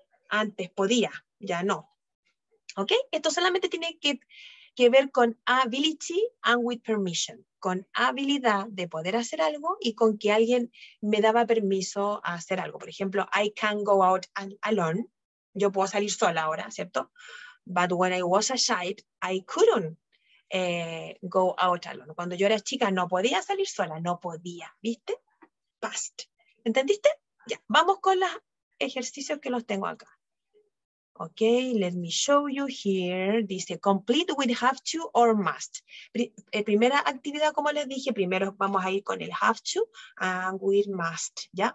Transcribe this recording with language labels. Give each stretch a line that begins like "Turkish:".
Spanish: Antes podía, ya no. ¿Ok? Esto solamente tiene que ver con
English: ability and with permission.
Spanish: Con habilidad de poder hacer algo y con que alguien me daba permiso a hacer algo. Por ejemplo,
English: I can go out alone.
Spanish: Yo puedo salir sola ahora, ¿cierto?
English: But when I was a child, I couldn't go out alone.
Spanish: Cuando yo era chica, no podía salir sola. No podía, ¿viste? Past. ¿Entendiste? Ya, vamos con las ejercicios que los tengo acá.
English: Ok, let me show you here. Dice, complete with have to or must.
Spanish: Primera actividad, como les dije, primero vamos a ir con el
English: have to and with must,
Spanish: ¿ya?